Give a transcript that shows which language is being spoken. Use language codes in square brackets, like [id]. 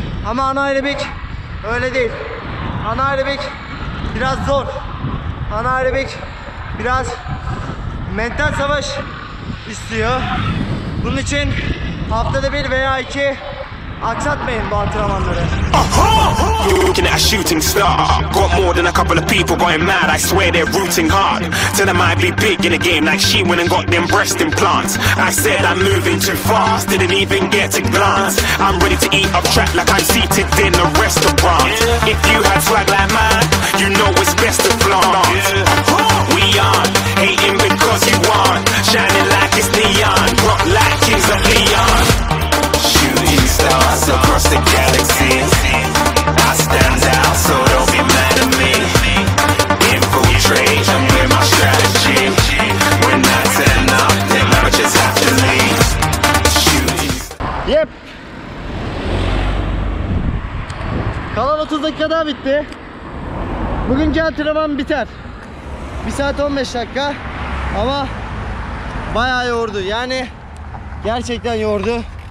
[tr] Ama anaerobik öyle değil. Anaerobik biraz zor. Anaerobik biraz mental savaş istiyor. Bunun için haftada bir veya iki aksatmayın bu antrenmanları. [en] You're looking at a shooting star. Got more than a couple of people going mad. I swear they're rooting hard. Tell them I'd be big in a game like she went and got them breast implants. I said I'm moving too fast, didn't even get a glance. I'm ready to eat up track like I'm seated in a restaurant. If you had swag like mine, you know it's best to flaunt. We aren't hating because you aren't shining like it's neon, rock like kings of Leon. Shooting stars across the galaxy. Stand out, so don't be mad at me. Infiltrate, I'm with my strategy. When I turn up, then I would just have to leave. Shooting. Yep. [tr] Kalan 30 dakika daha bitti. Bugünkü antrenman biter. 1 saat 15 dakika. Ama bayağı yordu. Yani gerçekten yordu.